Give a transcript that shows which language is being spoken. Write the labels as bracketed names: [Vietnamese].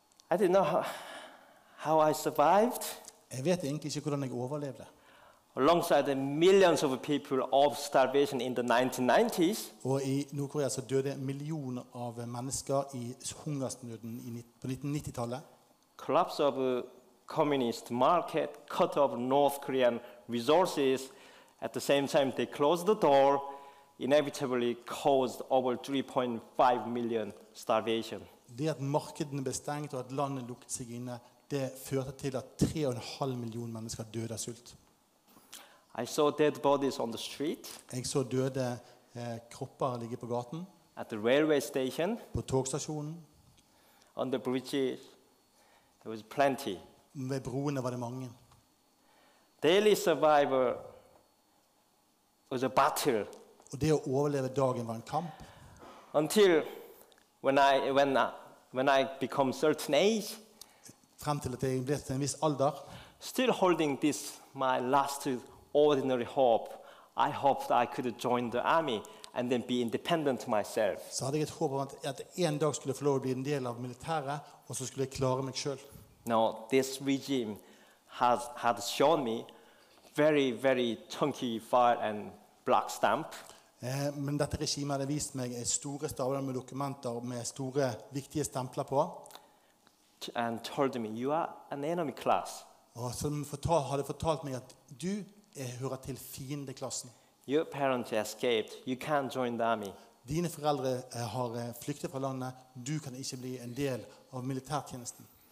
[English] I didn't know how I survived. [Norwegian] Jeg vet egentlig ikke hvordan jeg overlevde. [English] Alongside the millions of people of starvation in the 1990s. [Norwegian] Og i Nord-Korea så døde millioner av mennesker i hungersnøden på 1990-tallet. [English] Collapse of communist market, cut off North Korean resources, at the same time they closed the door, inevitably caused over 3.5 million starvation. [Norwegian] Det at markedene ble stengt og at landet lukket seg inne, det førte til at 3,5 millioner mennesker døde av sult. [English] I saw dead bodies on the street. [Norwegian] Jeg så døde kropper ligge på gaten. [English] At the railway station. [Norwegian] På togstasjonen. [English] On the bridges. There was plenty. [Norwegian] Ved broene var det mange. [English] Daily survival was a battle. [Norwegian] Og det å overleve dagen var en kamp. [English] Until when I become certain age. [Norwegian] Frem til at jeg ble til en viss alder. [English] Still holding this my last ordinary hope. I hoped I could join the army and then be independent myself. [Norwegian] Så hadde jeg et håp om at en dag skulle få lov å bli en del av militæret og så skulle jeg klare meg selv. [English] No, this regime had shown me very, very chunky file and black stamp. [Norwegian] Men dette regimet hadde vist meg store stavler med dokumenter med store, viktige stempler på. [English] And told me, you are an enemy class. [Norwegian] Og som hadde fortalt meg at du hører til fiendeklassen. [English] Your parents escaped. You can't join the army. [Norwegian] Dine foreldre har flyktet fra landet. Du kan ikke bli en del av militærtjenesten.